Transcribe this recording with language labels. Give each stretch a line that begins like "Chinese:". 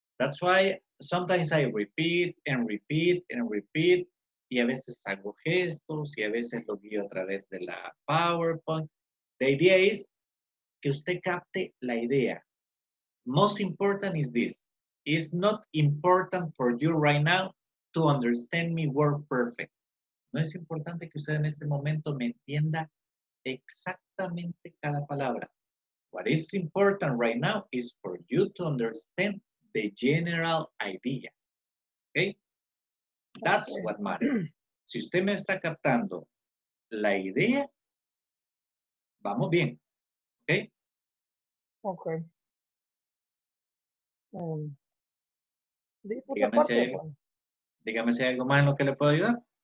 English: That's why sometimes I repeat and repeat and repeat.
Spanish: Y a veces hago gestos y a veces lo guío a través de la PowerPoint.
English: The idea is
Spanish: que usted capte la idea.
English: Most important is this. It's not important for you right now to understand me word perfect.
Spanish: No es importante que usted en este momento me entienda exactamente cada palabra.
English: What is important right now is for you to understand the general idea. Okay? That's what matters.
Spanish: Si usted me está captando la idea, vamos bien.
English: Okay? Okay.
Spanish: Dígame si hay... Dígame si hay algo más en lo que le puedo ayudar.